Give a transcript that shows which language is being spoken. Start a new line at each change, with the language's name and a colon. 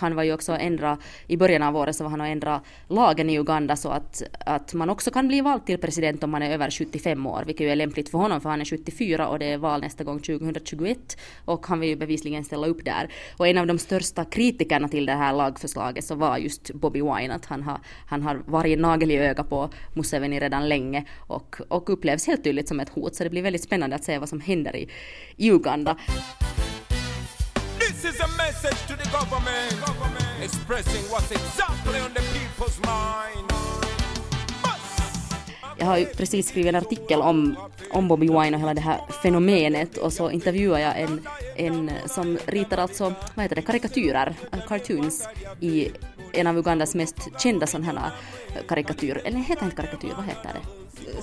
Swedish: Han var ju också i början av året så var han att ändra lagen i Uganda så att man också kan bli vald till president om man är över 75 år, vilket ju är lämpligt för honom, för han är 74 och det är val nästa gång 2021, och han vill ju bevisligen ställa upp där. Och en av de största kritikerna till det här lagförslaget så var just Bobby Wine, att han har varit nagel i öga på Museveni redan länge och upplevs helt tydligt som ett hot, så det blir väldigt spännande att se vad som händer i Uganda.
English: This is a message to the government expressing what's exactly on the people's mind.
Swedish: Jag har ju precis skrivit en artikel om Bobby Wine och hela det här fenomenet, och så intervjuar jag en som ritar alltså, vad heter det, karikatyrer, cartoons i en av Ugandas mest kända sån här karikatyr, eller heter inte karikatyr, vad heter det?